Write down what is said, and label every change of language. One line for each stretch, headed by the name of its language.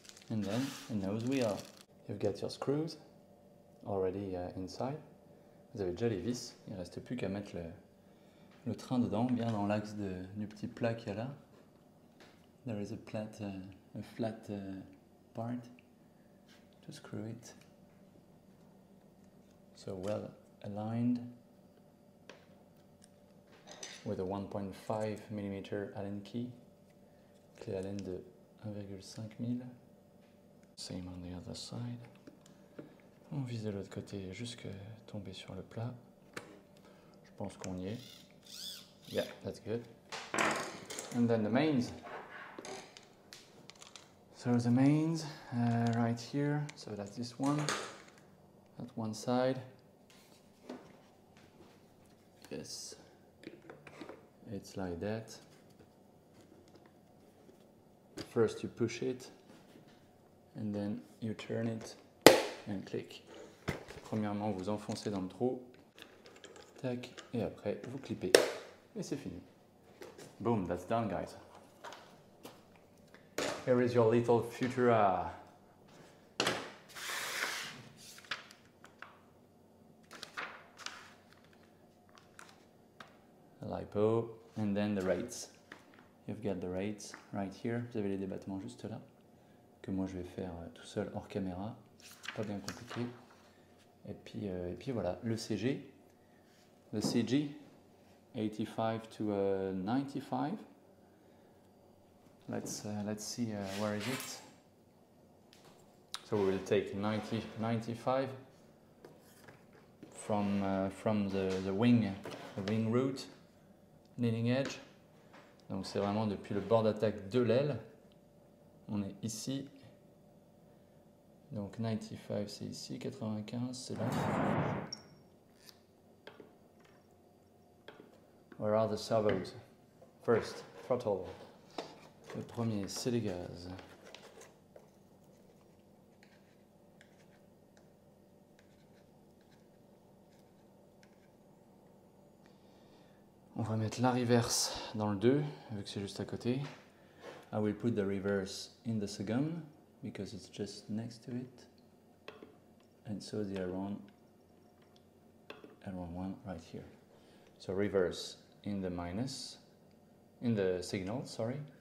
English: And then a nose wheel. You've got your screws already inside.
French: Vous avez déjà les vis. Il reste plus qu'à mettre le train dedans, bien dans l'axe du petit plat qu'il y a là.
English: There is a flat part to screw it. So well aligned with a 1.5 millimeter Allen key.
French: Clé Allen de 1,5 mm.
English: Same on the other side.
French: On vise de l'autre côté jusqu'à tomber sur le plat. Je pense qu'on y est.
English: Yeah, that's good. And then the mains. So the mains, right here, so that's this one, that one side. Yes, it's like that. First you push it, and then you turn it, and click.
French: Premièrement, vous enfoncez dans le trou, tac, et après, vous clipez. Et c'est fini.
English: Boom, that's done, guys. Here is your little Futura. A LiPo, and then the rates. You've got the rates right here.
French: Vous avez les débattements juste là, que moi je vais faire tout seul hors caméra. Pas bien compliqué. Et puis voilà, le CG. Le CG, 85 to 95.
English: Let's see where is it. So we will take 90-95 from the wing root, leaning edge.
French: Donc c'est vraiment depuis le bord d'attaque de l'aile. On est ici. Donc 95 c'est ici, 95 c'est là.
English: Where are the servos? First, throttle.
French: Le premier, c'est les gaz. On va mettre la reverse dans le 2, vu que c'est juste à côté.
English: I will put the reverse in the second, because it's just next to it. And so the aileron 1 right here. So reverse in the minus, in the signal, sorry.